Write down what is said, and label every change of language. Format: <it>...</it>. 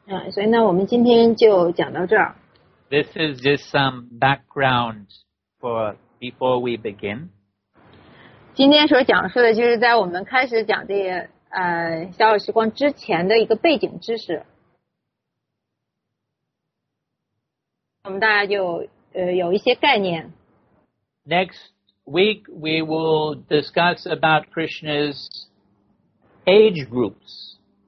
<zh>所以呢我们今天就讲到这儿。</zh> <en>This is just some background for before we begin.</en> <zh>今天所讲述的就是在我们开始讲这些小小时光之前的一个背景知识。我们大家就有一些概念。</zh> <en>Next week, we will discuss about Krishna's age groups.</en>